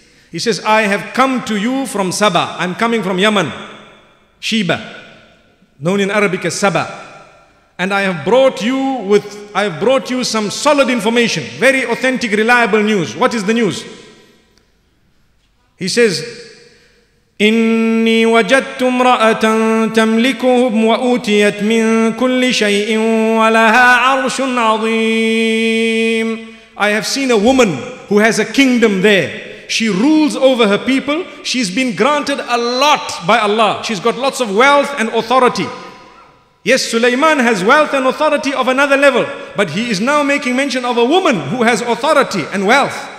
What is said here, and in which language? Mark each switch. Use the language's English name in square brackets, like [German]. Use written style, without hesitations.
[English] He says, I have come to you from Saba. I'm coming from Yemen, Sheba, known in Arabic as Saba. and I have brought you with, I have brought you some solid information, very authentic, reliable news. What is the news? He says, [Arabic] إني وجدت امرأة تملكهم وأوتيت من كل شيء ولها عرش عظيم. [English] I have seen a woman who has a kingdom there. She rules over her people. She's been granted a lot by Allah. She's got lots of wealth and authority. Yes, Sulaiman has wealth and authority of another level, but he is now making mention of a woman who has authority and wealth.